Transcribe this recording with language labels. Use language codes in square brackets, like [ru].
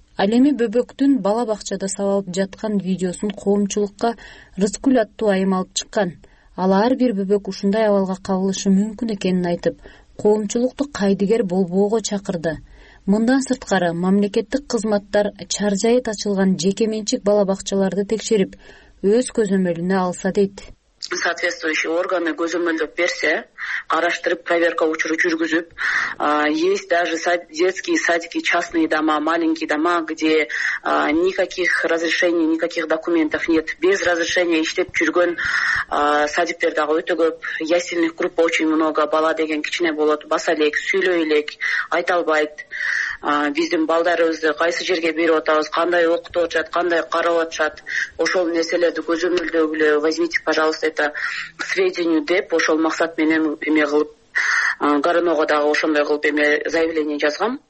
[ky] Ал эми бөбөктүн бала бакчада сабалып жаткан видеосун коомчулукка Рыскүл аттуу айым алып чыккан. Ал ар бир бөбөк ушундай абалга кабылышы мүмкүн экенин айтып, коомчулукту кайдыгер болбоого чакырды. Мындан сырткары мамлекеттик кызматтар чар жайыт ачылган жеке менчик бала бакчаларды текшерип, өз көзөмөлүнө алса дейт. [ru] Соответствующие органы [ky] көзөмөлдөп берсе, караштырып, проверка учуру жүргүзүп, [ru] есть даже детские садики, частные дома, маленькие дома, где никаких разрешений, никаких документов нет. Без разрешения [ky] иштеп жүргөн садиктер дагы өтө көп. [ru] Ясельных группа очень много, [ky] бала деген кичине болот, баса элек, сүйлөй элек, айта албайт. Биздин балдарыбызды кайсы жерге берип атабыз, кандай окутуп атышат, кандай карап атышат, ошол нерселерди көзөмөлдөгүлө, [ru] возьмите, пожалуйста, это к сведению [ky] деп ошол максат менен эме кылып Гороного дагы ошондой кылып эме заявление жазгам.